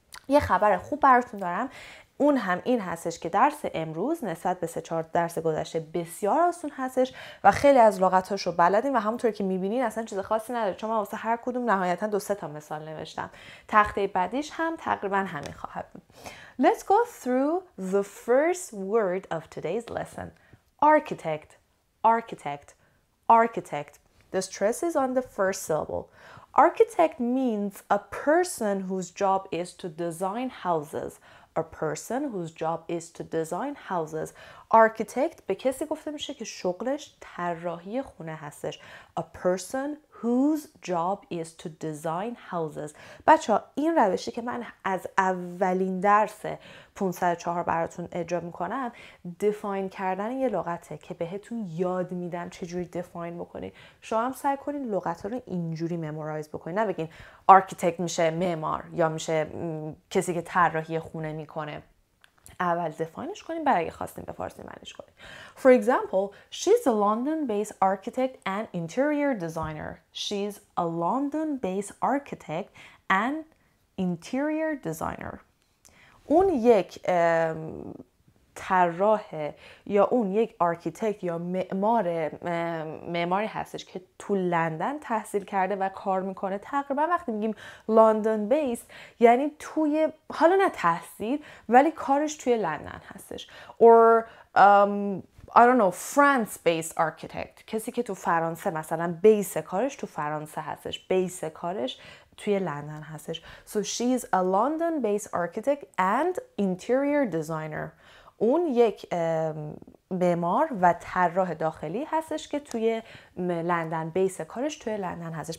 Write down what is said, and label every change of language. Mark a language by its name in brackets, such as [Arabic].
[Persian] یه خبر خوب براتون دارم، اون هم این هستش که درس امروز نسبت به 3-4 درس گذشته بسیار آسون هستش و خیلی از لغت‌هاش رو بلدین و همونطور که می‌بینین اصلا چیز خاصی نداره، چون من واسه هر کدوم نهایتاً 2-3 تا مثال نوشتم. تخته بعدیش هم تقریباً همین خواهد بود. [English] Let's go through the first word of today's lesson. Architect. Architect. Architect. The stress is on the first syllable. Architect means a person whose job is to design houses. A person whose job is to design houses. [Persian] Architect به کسی گفته میشه که شغلش طراحی خونه هستش. [English] A person whose job is to design houses. [Persian] بچه ها، این روشی که من از اولین درس 504 براتون اجرا میکنم دیفاین کردن یه لغته که بهتون یاد میدم چجوری دیفاین بکنید. شما هم سعی کنین لغت رو اینجوری ممورایز بکنید، نه بگین architect میشه معمار یا میشه کسی که طراحی خونه میکنه. اول دفاعش کنیم بعد اگه خواستیم به فارسی معنیش کنیم. [English] For example, she's a London-based architect and interior designer. She's a London-based architect and interior designer. [Persian] اون یک طراح یا اون یک آرکیتکت یا معماری هستش که تو لندن تحصیل کرده و کار میکنه. تقریبا وقتی میگیم لندن بیس یعنی توی، حالا نه تحصیل ولی کارش توی لندن هستش. [English] Or I don't know, France-based architect. [Persian] کسی که تو فرانسه مثلا بیس کارش تو فرانسه هستش. بیس کارش توی لندن هستش. [English] So she is a London-based architect and interior designer. [Persian] اون یک معمار و طراح داخلی هستش که توی لندن، بیس کارش توی لندن هستش.